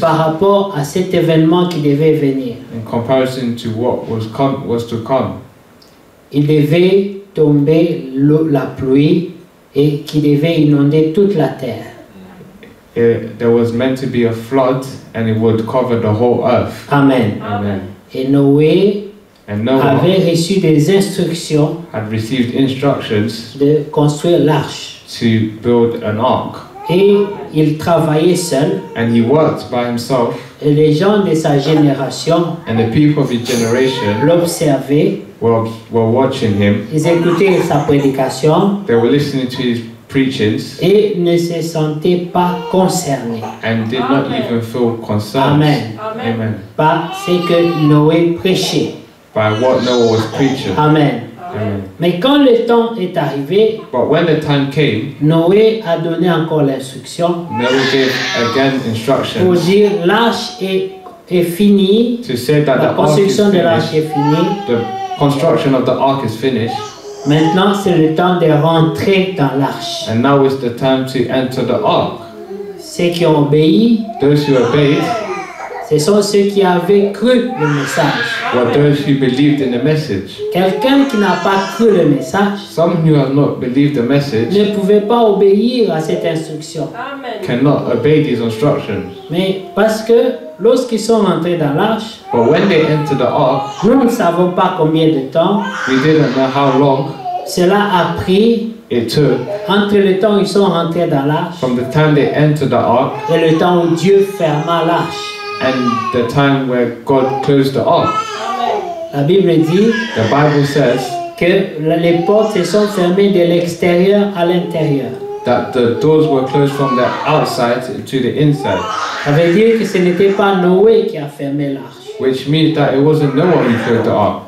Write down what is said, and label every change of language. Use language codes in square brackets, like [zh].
[fr] Par rapport à cet événement qui devait venir. [en] In comparison to what was to come. [fr] Il devait tomber la pluie et qui devait inonder toute la terre. [en] There was meant to be a flood and it would cover the whole earth. Amen. Amen. [fr] Et Noé [en] and Noah [fr] avait reçu des instructions, [en] had received instructions [fr] de construire l'arche, [en] to build an ark. [fr] Et il travaillait seul, [en] and he worked by himself, [fr] et les gens de sa génération, [en] and the people of his generation, [fr] l'observaient. [en] Were watching him. [fr] Ils écoutaient sa prédication. [en] They were listening to his preachings. [fr] Et ne se sentaient pas concernés. [en] And did Amen. Not even feel concerned. Amen. Amen. [fr] Par ce que Noé prêchait. [en] By what Noah was preaching. Amen. Amen. [fr] Mais quand le temps est arrivé, [en] but when the time came, [fr] Noé a donné encore l'instruction. [en] Noah gave again instructions. [fr] Pour dire l'arche est finie. [en] To say that [fr] la construction de l'arche est finie. [en] Construction of the ark is finished. [fr] Maintenant, c'est le temps de rentrer dans l'arche. [en] And now is the time to enter the ark. [fr] Ceux qui ont obéi, [en] those who obeyed, [fr] ce sont ceux qui avaient cru le message. [en] Were those who believed in the message. [fr] Quelqu'un qui n'a pas cru le message, [en] some who have not believed the message, [fr] ne pouvait pas obéir à cette instruction. Amen. [en] Cannot obey these instructions. [fr] Mais parce que lorsqu'ils sont entrés dans l'arche, [en] but when they entered the ark, [fr] nous ne savons pas combien de temps, [en] we didn't know how long, [fr] cela a pris, [en] it took, [fr] entre le temps où ils sont rentrés dans l'arche, [en] from the time they entered the ark, [fr] et le temps où Dieu ferma l'arche, [en] and the time where God closed the ark. [fr] La Bible dit, [en] the Bible says, [fr] que les portes se sont fermées de l'extérieur à l'intérieur. [en] That the doors were closed from the outside to the inside. [fr] Ça veut dire que ce n'était pas Noé qui a fermé l'arche. [en] Which means that it wasn't Noah who closed the ark.